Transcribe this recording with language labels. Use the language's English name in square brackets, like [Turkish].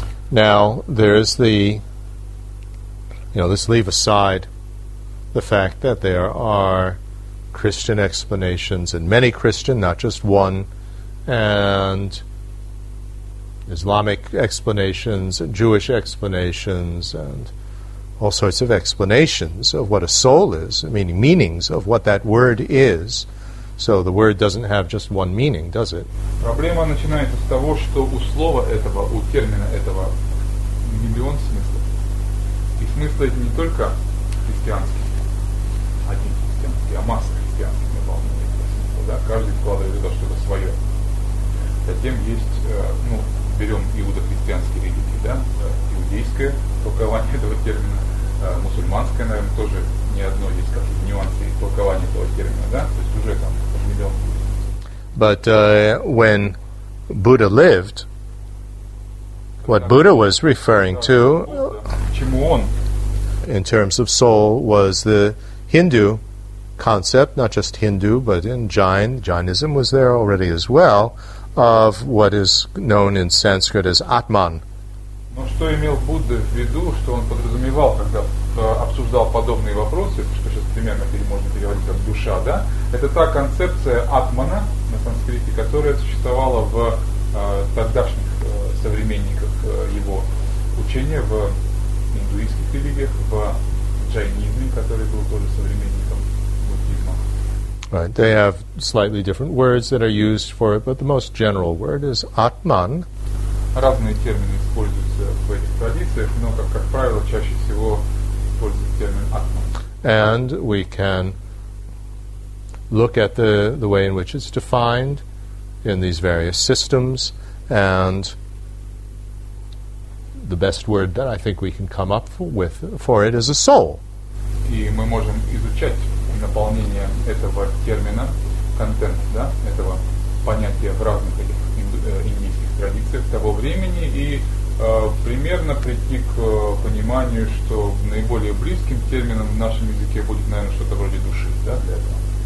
[English] Now, there's the, you know, let's leave aside the fact that there are Christian explanations, and many Christian, not just one, and Islamic explanations, and Jewish explanations, and all sorts of explanations of what a soul is, meaning meanings of what that word is. So the word doesn't have just one meaning, does it? [Russian] Проблема начинается с того, что у слова этого, у термина этого, миллион смыслов. И смысл это не только христианский, один христианский, а масса христианских наполнений этого смысла. Да? Каждый вкладывает это что-то свое. Затем есть, ну, берем иудохристианские религии, да, иудейское толкование этого термина, мусульманское, наверное, тоже не одно есть какие-то нюансы толкования этого термина, да, то есть уже там. [English] But when Buddha lived, what Buddha was referring to in terms of soul was the Hindu concept, not just Hindu, but in Jainism was there already as well, of what is known in Sanskrit as Atman. [Russian] Но что имел Будда в виду, что он подразумевал, когда обсуждал подобные вопросы, что сейчас примерно можно переводить как душа, да? Это та концепция атмана на санскрите, которая существовала в тогдашних современниках его учения, в индуистских религиях, в джайнизме, который был тоже современником буддизма. [English] Right, they have slightly different words that are used for it, but the most general word is atman. [Russian] Разные термины используются в этих традициях, но, как правило, чаще всего используется термин атман. [English] And we can look at the way in which it's defined in these various systems, and the best word that I think we can come up with for it is a soul. [Russian] И мы можем изучать наполнение этого термина, контент, да, этого понятия в разных этих индийских традициях того времени, и примерно прийти к пониманию, что наиболее близким термином в нашем языке будет, наверное, что-то вроде души, да, для этого.